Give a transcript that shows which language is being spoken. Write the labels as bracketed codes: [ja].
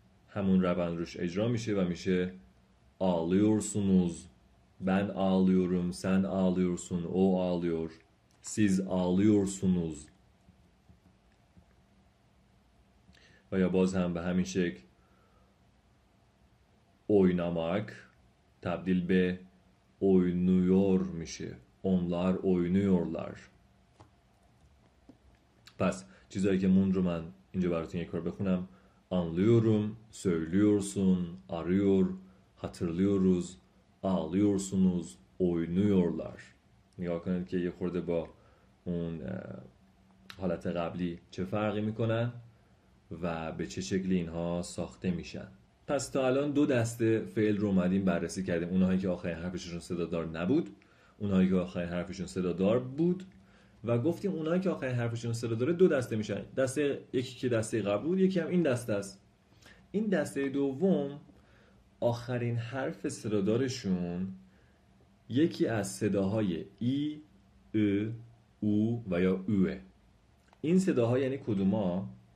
[fa] همون روند روش اجرا میشه و میشه [tr] ağlıyorsunuz ben ağlıyorum sen ağlıyorsun o ağlıyor siz ağlıyorsunuz [fa] و یا باز هم به همین شکل oynamak تبدیل به oynuyor میشه [tr] onlar oynuyorlar. [fa] پس چیزایی که موند رو من اینجا براتون یک بار بخونم. [tr] anlıyorum, söylüyorsun, arıyor, hatırlıyoruz, ağlıyorsunuz, oynuyorlar. [fa] نگاه کنید که یه خورده با اون حالت قبلی چه فرقی میکنن و به چه شکلی اینها ساخته میشن. پس تا الان دو دسته فعل رو اومدیم بررسی کردیم. اونهایی که آخرین حرفشون صدادار نبود. اونایی که آخرین حرفشون صدا دار بود و گفتیم اونایی که آخرین حرفشون صدا داره دو دسته میشن دسته یکی که دسته قبل بود یکی هم این دسته است این دسته دوم آخرین حرف صدا دارشون یکی از صداهای ای ا او و یا او این صداها یعنی کدوما